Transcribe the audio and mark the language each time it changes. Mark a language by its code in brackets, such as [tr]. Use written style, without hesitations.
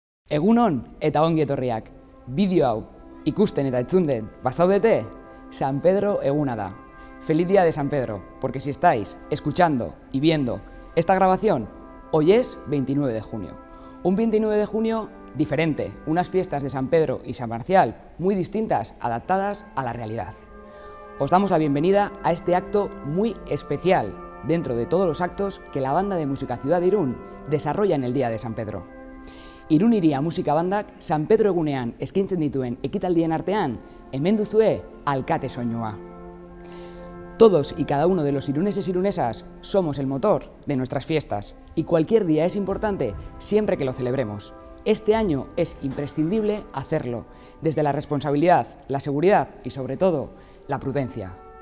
[eu] Egunon eta ongi etorriak. Bideo hau ikusten eta entzunden bazaudete, San Pedro eguna da. [es] Feliz día de San Pedro, porque si estáis escuchando y viendo esta grabación, hoy es 29 de junio. Un 29 de junio diferente, unas fiestas de San Pedro y San Marcial muy distintas, adaptadas a la realidad. Os damos la bienvenida a este acto muy especial dentro de todos los actos que la banda de música Ciudad de Irún desarrolla en el día de San Pedro. [eu] Irun Hiria Musika Bandak San Pedro egunean eskaintzen dituen ekitaldien artean hemen duzue alkate soinua. [es] Todos y cada uno de los iruneses y irunesas somos el motor de nuestras fiestas y cualquier día es importante siempre que lo celebremos. Este año es imprescindible hacerlo desde la responsabilidad, la seguridad y sobre todo la prudencia.